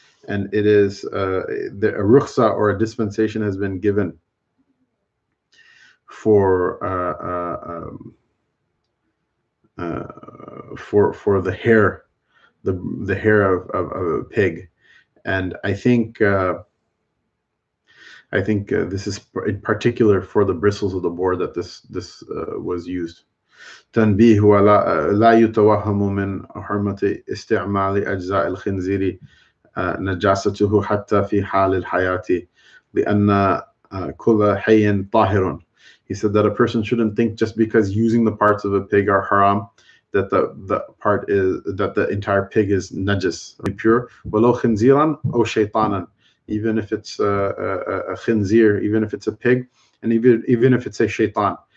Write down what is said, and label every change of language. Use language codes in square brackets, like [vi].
[en] And it is a rukhsa, or a dispensation, has been given for the hair, the hair of a pig. And I think this is in particular for the bristles of the boar that this was used. [ar] تنبيه لا يتوهم من حرمة استعمال أجزاء الخنزير نجاسته حتى في حال الحياة لأن كل حي طاهر. [en] He said that a person shouldn't think just because using the parts of a pig are haram, that the entire pig is najis, pure. [ar] ولو خنزيرا أو شيطانا. [en] Even if it's a khinzir, even if it's a pig, and even if it's a shaitan.